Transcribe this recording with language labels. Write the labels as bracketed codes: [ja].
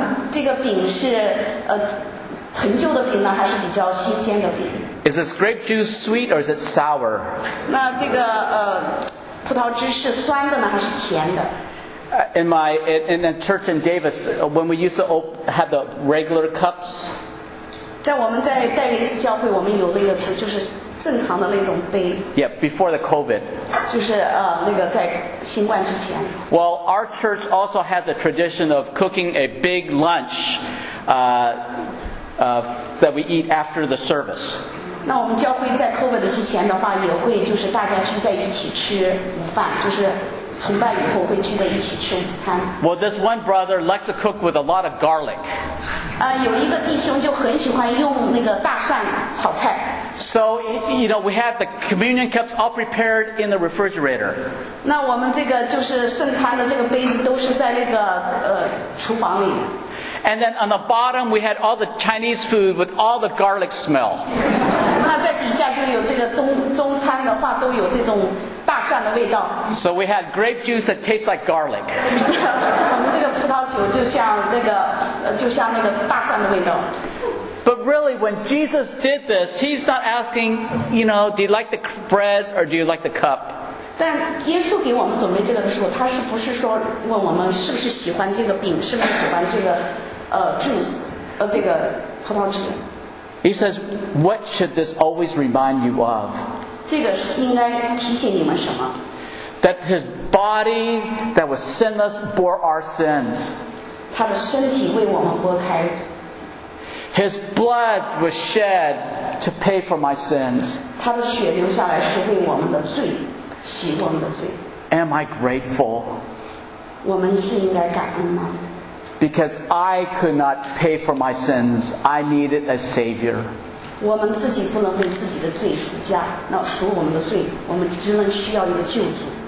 [zh] 这个饼是陈旧的饼呢，还是比较新鲜的饼。 [en] Is this grape juice sweet or is it sour? [zh] 那这个葡萄汁是酸的呢，还是甜的？ [en] In the church in Davis, when we used to have the regular cups. [zh] 在我们在戴维斯教会，我们有那个就是正常的那种杯。 [en] Yeah, before the COVID. [zh] 就是那个在新冠之前。 [en] Well, our church also has a tradition of cooking a big lunch. That we eat after the service. [zh] 那我们教会在 COVID 之前的话，也会就是大家聚在一起吃午饭，就是崇拜以后会聚在一起吃午餐。 [en] Well, this one brother likes to cook with a lot of garlic. [zh] 有一个弟兄就很喜欢用那个大蒜炒菜。 [en] So, you know, we had the communion cups all prepared in the refrigerator. [zh] 那我们这个就是圣餐的这个杯子都是在那个厨房里。 [en] And then on the bottom, we had all the Chinese food with all the garlic smell. [zh] 那在底下就有这个中餐的话，都有这种大蒜的味道。 [en] So we had grape juice that tastes like garlic. [zh] 我们这个葡萄酒就像那个大蒜的味道。 [en] But really, when Jesus did this, he's not asking, you know, do you like the bread or do you like the cup? [zh] 但耶稣给我们准备这个的时候，他是不是说问我们是不是喜欢这个饼，是不是喜欢这个？ [en] He says, "What should this always remind you of?" [zh] 这个应该提醒你们什么？ [en] That his body that was sinless bore our sins. [zh] 他的身体为我们剥开。 [en] His blood was shed to pay for my sins. [zh] 他的血流下来是为我们的罪，洗我们的罪。 [en] Am I grateful? [zh] 我们是应该感恩吗？ [en] Because I could not pay for my sins, I needed a savior. [zh] 我们自己不能为自己的罪赎价，那赎我们的罪，我们只能需要一个救主。